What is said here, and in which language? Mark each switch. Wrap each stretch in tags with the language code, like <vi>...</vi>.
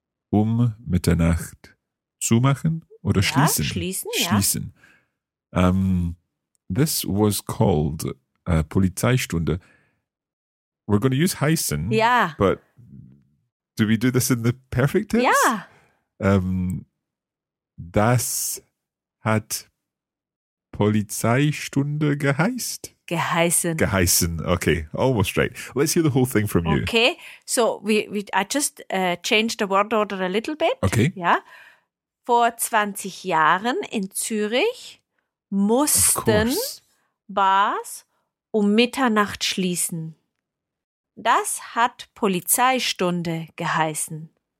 <de>Um Mitternacht zumachen oder ja, schließen. Schließen.</de> <en>This was called Polizeistunde. We're going to use heißen. Yeah. But do we do this in the perfect tense? Yeah.</en> <de>Das hat Polizeistunde geheißt? Geheißen.</de> <en>Okay, almost right. Let's hear the whole thing from you. Okay, so I just changed the word order a little bit. Okay.</en> <de>Ja. Vor 20 Jahren in Zürich mussten Bars um Mitternacht schließen. Das hat Polizeistunde geheißen.</de>